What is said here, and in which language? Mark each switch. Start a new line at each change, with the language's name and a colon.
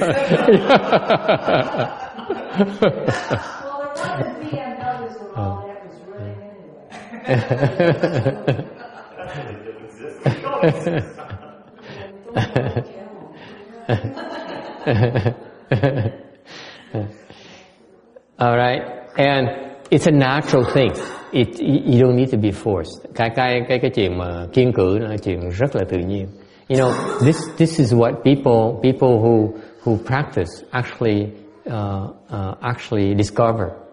English: my answer. Well, the problem with BMWs, all that was really new. All right, and it's a natural thing. You don't need to be forced.
Vietnamese: Cái chuyện mà kiên cử là chuyện rất là tự nhiên.
English: You know, this is what people who practice actually discover.